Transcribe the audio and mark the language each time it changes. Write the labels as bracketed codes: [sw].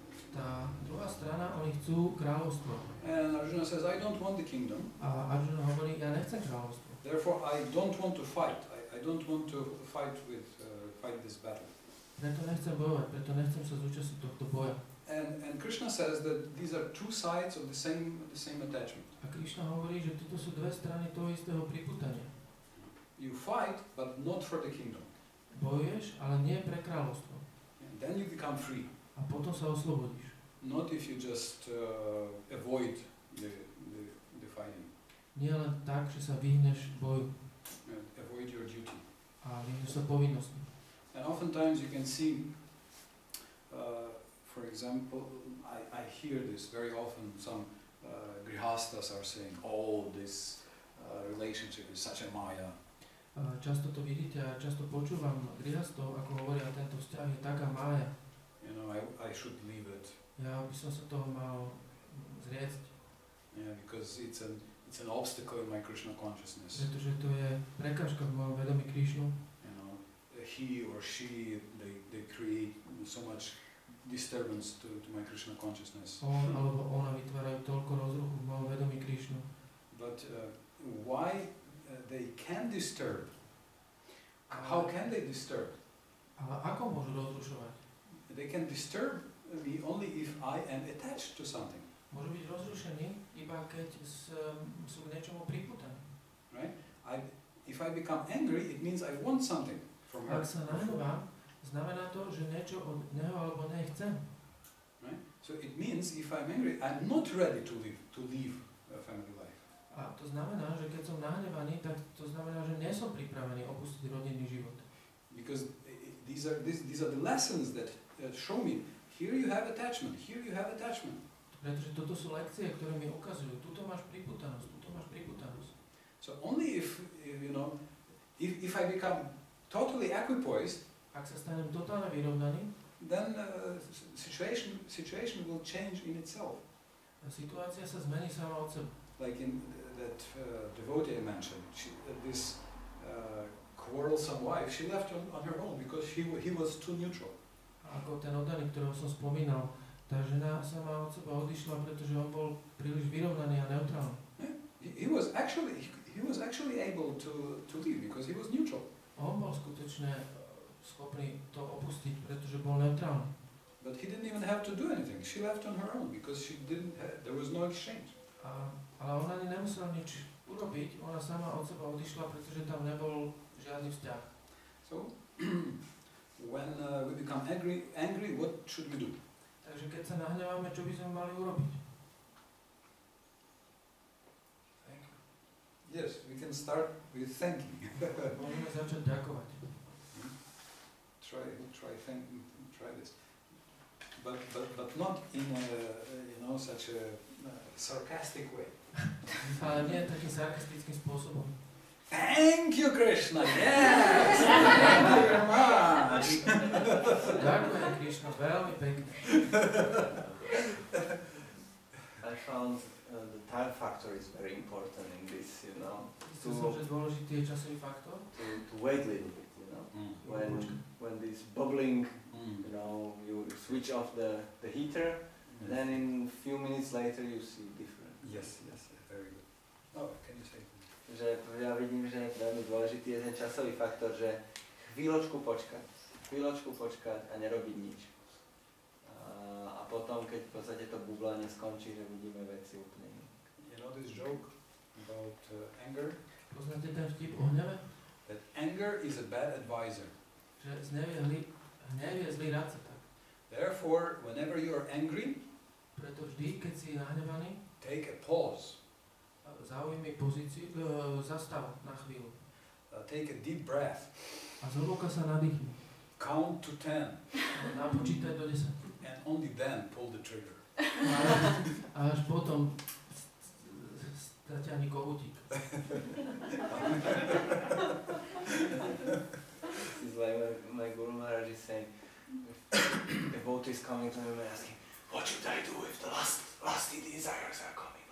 [sk] Tá druhá strana, oni chcú kráľovstvo. [en] And Arjuna says, I don't want the kingdom. [sk] A Arjuna hovorí, ja nechcem kráľovstvo. [en] Therefore, I don't want to fight. I don't want to fight with fight this battle. [sk] Preto nechcem bojovať, preto nechcem sa zúčastniť tohto boja. [en] And Krishna says that these are two sides of the same attachment. [sk] A Krishna hovorí, že toto sú dve strany toho istého pripútania. [en] You fight, but not for the kingdom. [sk] Bojuješ, ale nie pre kráľovstvo. [en] Then you become free. [sk] A potom sa oslobodíš. [en] Not if you just avoid the fighting. [sk] Nie len tak, že sa vyhneš boju. [en] And avoid your duty. [sk] A vyhneš sa povinnosti. [en] And oftentimes you can see, for example, I hear this very often, some grihasthas are saying, oh, this relationship is such a maya. [sk] Často to vidíte a často počúvam grihasthov, ako hovoria, tento vzťah je taká mája. [en] You know, I should leave it. [sk] Ja by som sa toho mal zriecť. [en] Yeah, because it's an obstacle in my Krishna consciousness. [sk] Pretože to je prekážka v mojom vedomí Krishnu. [en] You know, he or she, they create so much disturbance to my Krishna consciousness. [sk] On alebo ona vytvárajú toľko rozruchu v mojom vedomí Krishnu. [en] But why they can disturb? How can they disturb? [sk] Ale ako môžu rozrušovať? [en] They can disturb me only if I am attached to something. [sk] Môžu byť rozrušení, iba keď sú k niečomu pripútaní. [en] Right? If I become angry, it means I want something from her. [sk] Ak sa nahnevám, znamená to, že niečo od neho alebo nej chcem. [en] Right? So it means if I'm angry, I'm not ready to leave a family life. [sk] A to znamená, že keď som nahnevaný, tak to znamená, že nie som pripravený opustiť rodinný život. [en] Because these are the lessons that show me. Here you have attachment. Here you have attachment. [sk] Pretože toto sú lekcie, ktoré mi ukazujú. Tuto máš pripútanosť, tuto máš pripútanosť. [en] So only if I become totally equipoised, [sk] ak sa stanem totálne vyrovnaný, [en] then situation will change in itself. [sk] Situácia sa zmení sama od seba. [en] Like in that devotee I mentioned, this quarrelsome wife, she left on her own because he was too neutral. [sk] Ako ten oddaný, ktorého som spomínal, tá žena sama od seba odišla, pretože on bol príliš vyrovnaný a neutrálny. [en] Yeah. He was actually, he He was actually able to leave because he was neutral. [sk] On bol skutočne schopný to opustiť, pretože bol neutrálny. [en] But he didn't even have to do anything. She left on her own because she didn't have, there was no exchange. [sk] Ale ona ani nemusela nič urobiť, ona sama od seba odišla, pretože tam nebol žiadny vzťah. [en] So when we become angry, what should we do? [sk] Takže keď sa nahneváme, čo by sme mali urobiť? [en] Yes, we can start with thanking. [sk] Môžeme začať ďakovať. [en] Try thanking, try this. But not in a, you know, such a sarcastic way. [sk] Ale nie takým sarkastickým spôsobom. [en] Thank you, Krishna, yes! Thank you very much! [sk] Ďakujem, Krishna, veľmi pekne. [en] I found the time factor is very important in this, you know. Myslím som, že dôležitý je časový faktor. To wait a little bit, you know. When this bubbling, you know, you switch off the heater, and then in few minutes later you see different. Yes, very good. Oh, can you say? [sk] Že ja vidím, že veľmi dôležitý je ten časový faktor, že chvíľočku počkať a nerobiť nič. A potom, keď v podstate to bublanie skončí, že vidíme veci úplne iné. [en] You know this joke about anger? [sk] Poznáte ten vtip o hneve? [en] That anger is a bad advisor. [sk] Že hnev je zlý radca, tak. [en] Therefore, whenever you are angry, [sk] preto vždy, keď si nahnevaný, [en] take a pause. [sk] Zaujmi pozíciu, zastav na chvíľu. [en] Take a deep breath. [sk] A zhlboka sa nadýchni. [en] Count to 10. [sk] Napočítaj do 10. [en] And only then pull the trigger. [sk] A až potom zaťahni kohútik. [en] It's like my Guru Maharaj is saying, the boat is coming to him and asking, what should I do if the lusty desires are coming?